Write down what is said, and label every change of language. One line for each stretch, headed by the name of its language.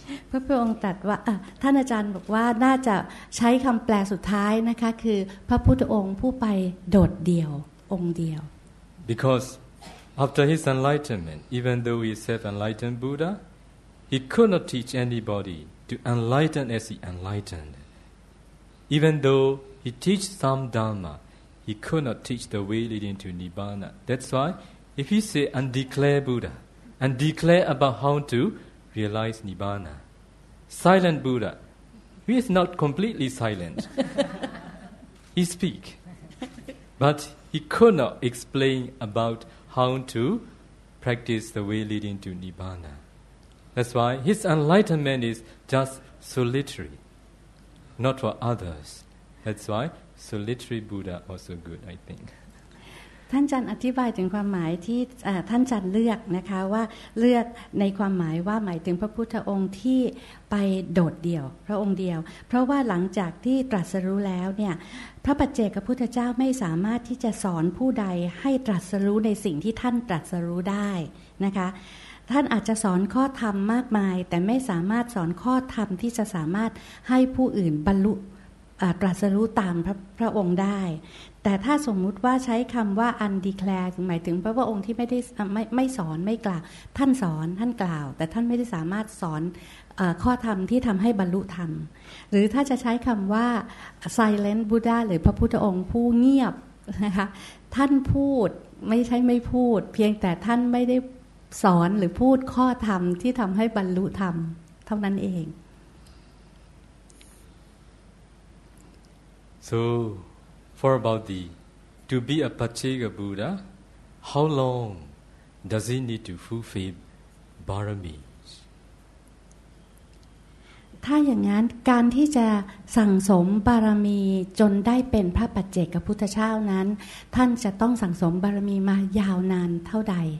Thai: พระพุทธองค์ตรัสว่าท่านอาจารย์บอกว่าน่าจะใช้คำแปลสุดท้ายนะคะคือพระพุทธองค์ผู้ไปโดดเดี่ยวองค์เดียว
English: Because after his enlightenment even though he is self-enlightened Buddha he could not teach anybody to enlighten as he enlightened even though he teach some Dharma he could not teach the way leading to Nibbana that's why if he say undeclared Buddha and declare about how torealize Nibbana. Silent Buddha. He is not completely silent. He speak. But he could not explain about how to practice the way leading to Nibbana. That's why his enlightenment is just solitary. Not for others. That's why solitary Buddha also good, I think.
Thai: ท่านจันอธิบายถึงความหมายที่ท่านจันเลือกนะคะว่าเลือกในความหมายว่าหมายถึงพระพุทธองค์ที่ไปโดดเดี่ยวพระองค์เดียวเพราะว่าหลังจากที่ตรัสรู้แล้วเนี่ยพระปัจเจกพุทธเจ้าไม่สามารถที่จะสอนผู้ใดให้ตรัสรู้ในสิ่งที่ท่านตรัสรู้ได้นะคะท่านอาจจะสอนข้อธรรมมากมายแต่ไม่สามารถสอนข้อธรรมที่จะสามารถให้ผู้อื่นบรรลุ ตรัสรู้ตามพระองค์ได้แต่ถ้าสมมุติว่าใช้คำว่า undeclared หมายถึงพระองค์ที่ไม่สอนไม่กล่าวท่านสอนท่านกล่าวแต่ท่านไม่ได้สามารถสอนข้อธรรมที่ทำให้บรรลุธรรมหรือถ้าจะใช้คำว่า silent Buddha หรือพระพุทธองค์ผู้เงียบนะคะท่านพูดไม่ใช่ไม่พูดเพียงแต่ท่านไม่ได้สอนหรือพูดข้อธรรมที่ทำให้บรรลุธรรมเท่านั้นเอง
English: So, for about the, to be a Paccika Buddha, how long does he need to fulfill baramis?
Thai: ถ้าอย่างนั้นการที่จะสั่งสมบารมีจนได้เป็นพระปัจเจกพุทธเจ้านั้นท่านจะต้องสั่งสมบารมีมายาวนานเท่าใด